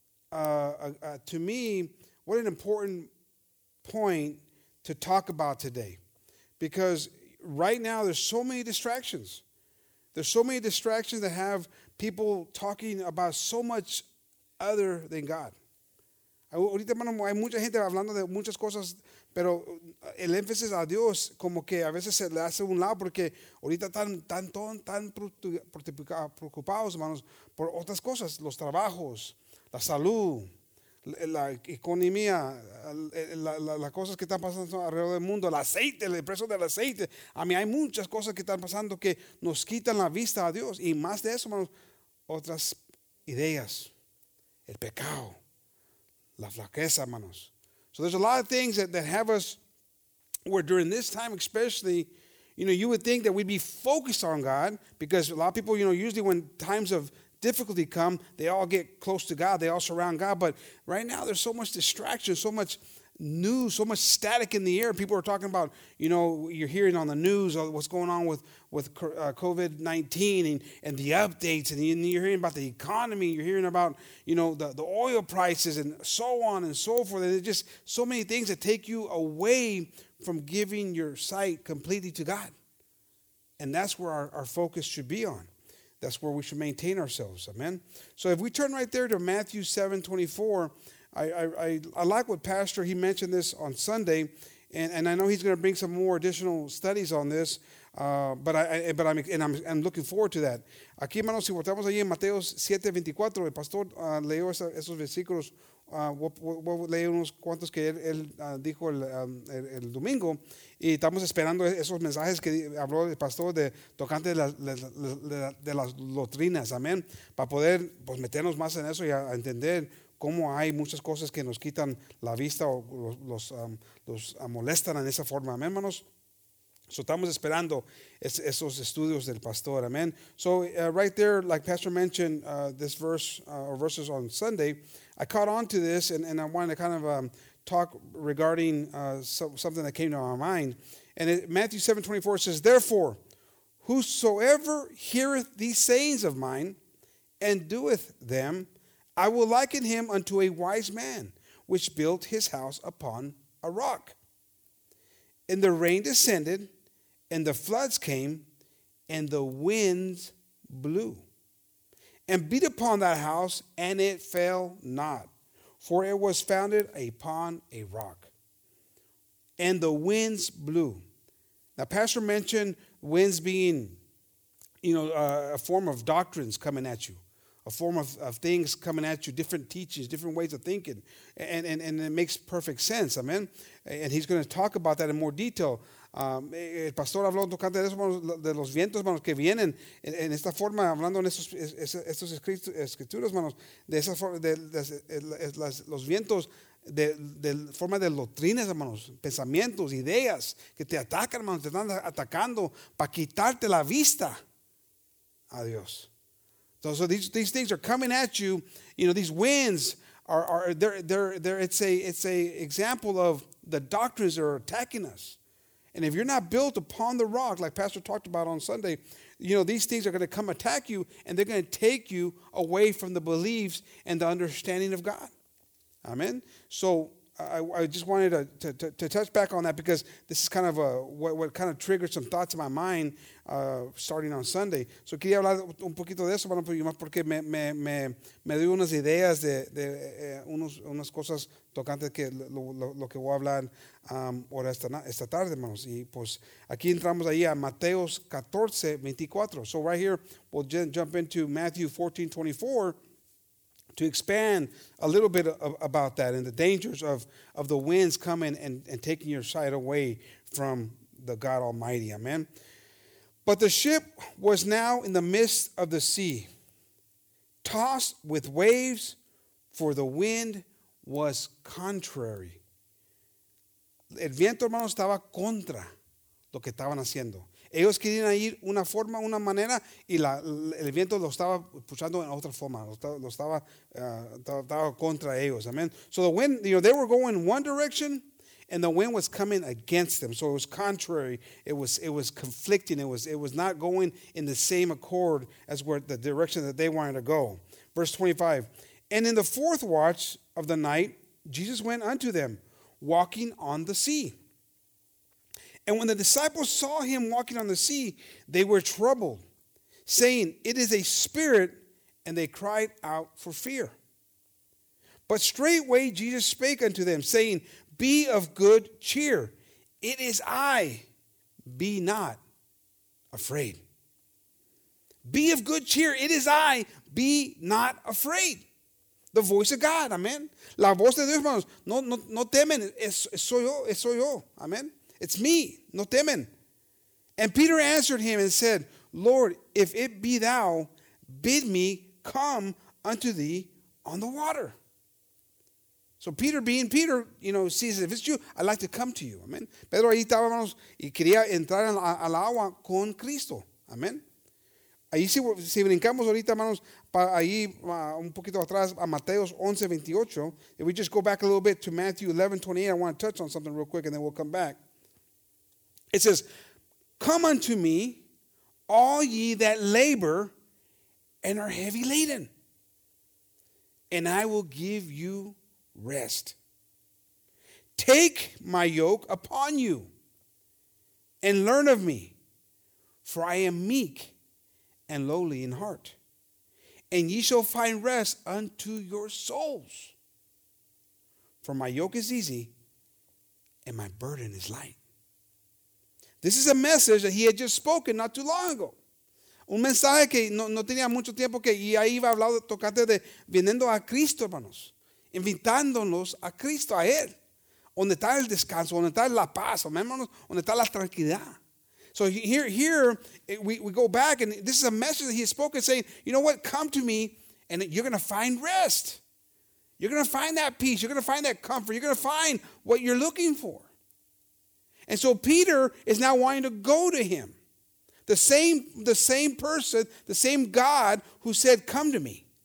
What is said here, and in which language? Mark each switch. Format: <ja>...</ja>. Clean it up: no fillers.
<en>What an important point to talk about today, because right now there's so many distractions. There's so many distractions that have people talking about so much other than God.</en> <es>Ahorita, hermano, hay mucha gente hablando de muchas cosas, pero el énfasis a Dios como que a veces se le hace un lado porque ahorita están tan preocupados, hermanos, por otras cosas, los trabajos, la salud, la economía, las cosas que están pasando alrededor del mundo, el aceite, el precio del aceite. A mí hay muchas cosas que están pasando que nos quitan la vista a Dios. Y más de eso, hermanos, otras ideas, el pecado, la flaqueza, hermanos.</es> <en>So there's a lot of things that have us, where during this time especially, you know, you would think that we'd be focused on God, because a lot of people, you know, usually when times of difficulty come, they all get close to God, they all surround God. But right now there's so much distraction, so much news, so much static in the air. People are talking about, you know, you're hearing on the news what's going on with COVID-19 and the updates, and you're hearing about the economy, you're hearing about, you know, the oil prices and so on and so forth. And there's just so many things that take you away from giving your sight completely to God. And that's where our focus should be on. That's where we should maintain ourselves. Amen. So if we turn right there to Matthew 7:24, I like what Pastor, he mentioned this on Sunday, and I know he's going to bring some more additional studies on this, but I'm looking forward to that.</en> <es>Aquí, hermanos, si votamos allí en Mateo 7:24, el pastor leyó esos versículos Leí unos cuantos que él dijo el domingo y estamos esperando esos mensajes que habló el pastor de tocante de las doctrinas, amén, para poder pues meternos más en eso y a entender cómo hay muchas cosas que nos quitan la vista o los molestan en esa forma, amén, hermanos. So estamos esperando esos estudios del pastor, amén.</es> <en>So right there, like Pastor mentioned this verse or verses on Sunday, I caught on to this and I wanted to kind of talk regarding something that came to my mind. And Matthew 7:24 says, "Therefore, whosoever heareth these sayings of mine and doeth them, I will liken him unto a wise man which built his house upon a rock. And the rain descended, and the floods came, and the winds blew, and beat upon that house, and it fell not, for it was founded upon a rock. And the winds blew." Now, Pastor mentioned winds being, you know, a form of doctrines coming at you, a form of things coming at you, different teachings, different ways of thinking, and it makes perfect sense, amen? And he's going to talk about that in more detail.</en> <es>El pastor habló tocante de los vientos, hermanos, que vienen en esta forma, hablando en estos escrituras, hermanos, de esa forma, los vientos de forma de doctrinas, hermanos, pensamientos, ideas que te atacan, hermanos, te están atacando para quitarte la vista a Dios.</es> <en>So these things are coming at you, you know, these winds are it's a example of the doctrines that are attacking us. And if you're not built upon the rock, like Pastor talked about on Sunday, you know, these things are going to come attack you and they're going to take you away from the beliefs and the understanding of God. Amen. So I just wanted to touch back on that because this is kind of what kind of triggered some thoughts in my mind starting on Sunday.</en> <es>So quería hablar un poquito de eso, bueno, porque me dio unas ideas unas cosas tocantes que lo que voy a hablar ahora esta tarde, hermanos. Y pues aquí entramos ahí a Mateo 14, 24.</es> <en>So right here, we'll jump into Matthew 14, 24. To expand a little bit about that and the dangers of the winds coming and taking your sight away from the God Almighty. Amen. "But the ship was now in the midst of the sea, tossed with waves, for the wind was contrary."</en> <es>El viento, hermano, estaba contra lo que estaban haciendo. Ellos querían ir una forma, una manera, y el viento lo estaba puchando en otra forma, lo estaba contra ellos, amen.</es> <en>So the wind, you know, they were going one direction, and the wind was coming against them. So it was contrary, it was conflicting, it was not going in the same accord as where the direction that they wanted to go. Verse 25, "And in the fourth watch of the night, Jesus went unto them, walking on the sea. And when the disciples saw him walking on the sea, they were troubled, saying, It is a spirit, and they cried out for fear. But straightway Jesus spake unto them, saying, Be of good cheer, it is I, be not afraid. Be of good cheer, it is I, be not afraid." The voice of God, amen.</en> <es>La voz de Dios, hermanos, no temen, es soy yo, amen.</es> <en>It's me,</en> <es>no temen.</es> <en>"And Peter answered him and said, Lord, if it be thou, bid me come unto thee on the water." So Peter being Peter, you know, sees, if it's you, I'd like to come to you. Amen.</en> <es>Pedro ahí estaba, hermanos, y quería entrar al agua con Cristo. Amen. Ahí si brincamos ahorita, hermanos, ahí un poquito atrás a Mateo 11, 28.</es> <en>If we just go back a little bit to Matthew 11, 28, I want to touch on something real quick and then we'll come back. It says, "Come unto me, all ye that labor and are heavy laden, and I will give you rest. Take my yoke upon you and learn of me, for I am meek and lowly in heart, and ye shall find rest unto your souls. For my yoke is easy and my burden is light." This is a message that he had just spoken not too long ago.</en> <es>Un mensaje que no tenía mucho tiempo que y ahí iba a hablar tocante de viniendo a Cristo, hermanos. invitándonos a Cristo, a Él, donde está el descanso, donde está la paz, donde está la tranquilidad.</es> <en>So here we go back, and this is a message that he has spoken, saying, you know what, come to me, and you're going to find rest. You're going to find that peace. You're going to find that comfort. You're going to find what you're looking for. And so Peter is now wanting to go to him. The same person, the same God who said, come to me.</en>